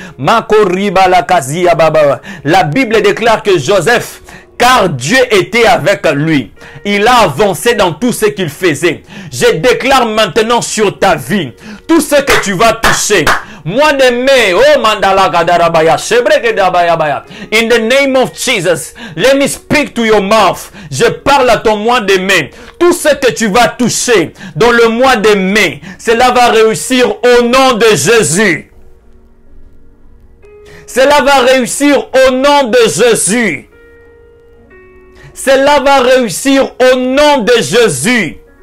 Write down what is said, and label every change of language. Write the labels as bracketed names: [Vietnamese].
[French] Mako riba la kazia baba. La Bible déclare que Joseph, car Dieu était avec lui, il a avancé dans tout ce qu'il faisait. Je déclare maintenant sur ta vie tout ce que tu vas toucher. Moi de mai, oh mandala gadarabaya, shebreke dabayabaya. [English] In the name of Jesus, let me speak to your mouth. [French] Je parle à ton mois de mai. Tout ce que tu vas toucher dans le mois de mai, cela va réussir au nom de Jésus. Cela va réussir au nom de Jésus. Cela va réussir au nom de Jésus.